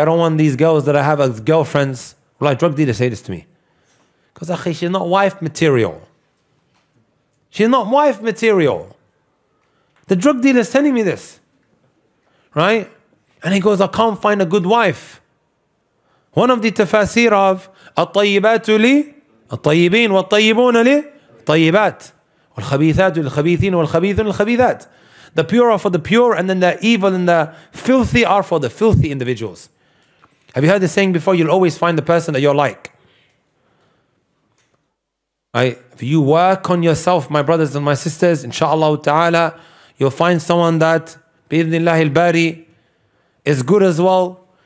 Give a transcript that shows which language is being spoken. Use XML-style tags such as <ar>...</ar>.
<en>I don't want these girls that I have as girlfriends. Wallahi, drug dealers say this to me. Because, akhi, she's not wife material. She's not wife material. The drug dealer's telling me this. Right? And he goes, I can't find a good wife. One of the tafaseer of</en> <ar>الطيبات لي الطيبين والطيبون لي طيبات والخبيثات للخبيثين والخبيثون للخبيثات.</ar> <en>The pure are for the pure, and then the evil and the filthy are for the filthy individuals. Have you heard the saying before? You'll always find the person that you're like. Right? If you work on yourself, my brothers and my sisters, inshallah ta'ala, you'll find someone that,</en> <ar>bi'idhnillahi al-bari,</ar> <en>is good as well.</en>